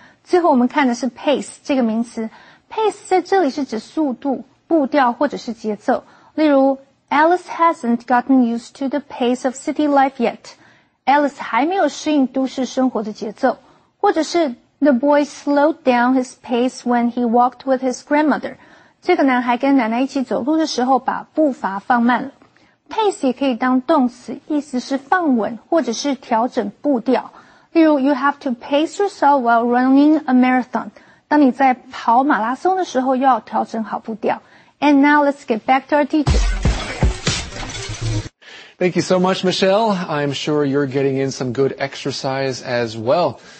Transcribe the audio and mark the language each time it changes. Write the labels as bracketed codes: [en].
[zh] 最后我们看的是 pace 这个名词。pace 在这里是指速度、步调或者是节奏。例如 [en] ,Alice hasn't gotten used to the pace of city life yet. [zh] Alice 还没有适应都市生活的节奏。或者是 [en] ,The boy slowed down his pace when he walked with his grandmother. [zh] 这个男孩跟奶奶一起走路的时候把步伐放慢了。 pace 也可以当动词意思是放稳或者是调整步调。例如 [en] you have to pace yourself while running a marathon. [zh] 当你在跑马拉松的时候要调整好步调。 [en] And now let's get back to our teacher. Thank you so much, Michelle. I'm sure you're getting in some good exercise as well.